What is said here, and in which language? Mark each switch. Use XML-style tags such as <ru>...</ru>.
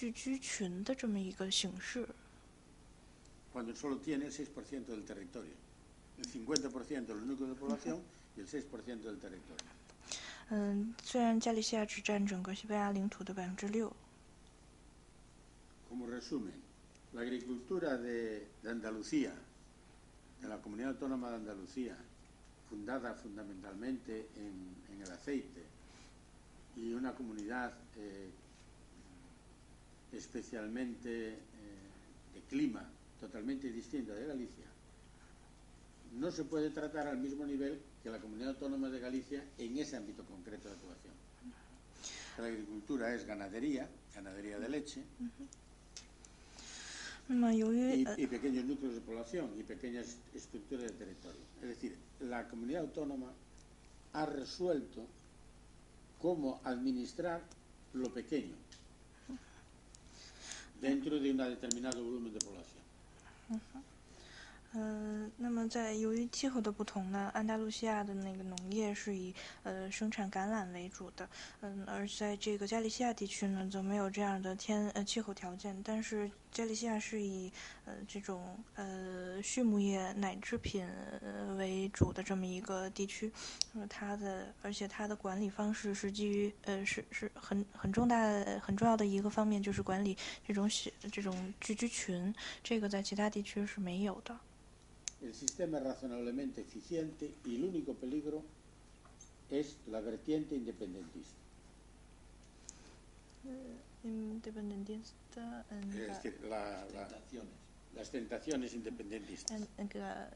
<zh>那么中央政府也不了解加利西亚的这个农业政策，同时也不了解在加利西亚地区拥有的百分之全西班牙百分之五十的这种聚群的这么一个形式。</zh> <es>Cuando solo tiene el 6% del territorio, el 50% de los núcleos de población y el 6% del territorio.</es> <zh>虽然加利西亚只占整个西班牙领土的6%。</zh> <es>Como resumen, la agricultura de Andalucía, de la Comunidad Autónoma de Andalucía, fundada fundamentalmente en el aceite, y una comunidad especialmente de clima totalmente distinta de Galicia, no se puede tratar al mismo nivel que la Comunidad Autónoma de Galicia en ese ámbito concreto de actuación. La agricultura es ganadería, ganadería de leche, y pequeños núcleos de población y pequeñas estructuras de territorio. Es decir, la Comunidad Autónoma ha resuelto cómo administrar lo pequeño dentro de un determinado volumen de población.</es> <zh>那么在由于气候的不同呢，安达卢西亚的那个农业是以生产橄榄为主的，而在这个加利西亚地区呢，则没有这样的气候条件。但是加利西亚是以这种畜牧业奶制品为主的这么一个地区，而且它的管理方式是基于很重要的一个方面，就是管理这种聚居群，这个在其他地区是没有的。</zh> <es>El sistema es razonablemente eficiente y el único peligro es la vertiente independentista. Independentista. Es decir, las tentaciones independentistas. En Cataluña.</es>